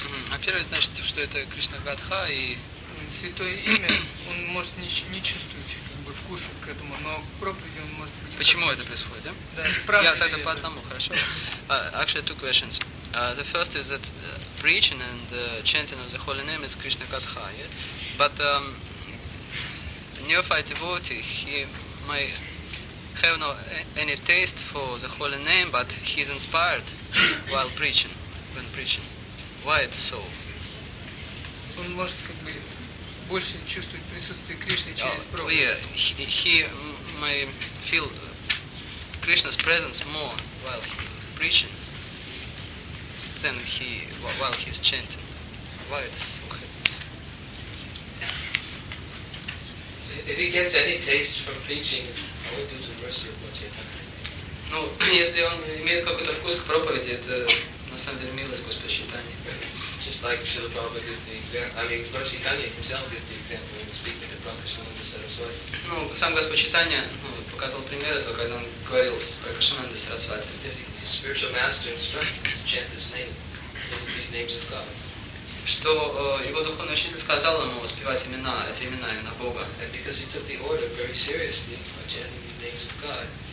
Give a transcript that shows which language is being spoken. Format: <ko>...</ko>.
<ru>Во-первых, значит, что это Кришна Гадха и... Святое имя, он может не чувствовать как бы вкуса к этому, но к проповеди он может... Почему это происходит, да? Да, я тогда по одному, хорошо?</ru> <en>Actually, two questions. The first is that preaching and chanting of the holy name is Krishna Gadha, yeah? But neophyte devotee, he may have no any taste for the holy name, but he's inspired while preaching, when preaching. Why it's so?</en> <ru>Он может как бы больше чувствовать присутствие Кришны через проповедь.</ru> <en>Yeah, he may feel Krishna's presence more while preaching than he while he's chanting. Why it's so happens? If he gets any taste from preaching, it's only due to mercy of Bhagavan.</en> <ru>Ну, если он имеет какой-то вкус к проповеди, это на самом деле милость Господа Читания.</ru> <en>Just like Srila Prabhupada is the example. I mean, Lord Chaitanya himself is the example when speaking to Prakashananda Sarasvati.</en> <ru>Ну, сам Господь Читания показал пример этого, когда он говорил с Прокашананда Сарасвати.</ru> <en>His spiritual master instructed him to chant his name, these names of God.</en> <ru>Что его духовный учитель сказал ему воспевать имена, эти имена именно Бога.</ru> <en>And because he took the order very seriously by chanting these names of God.</en>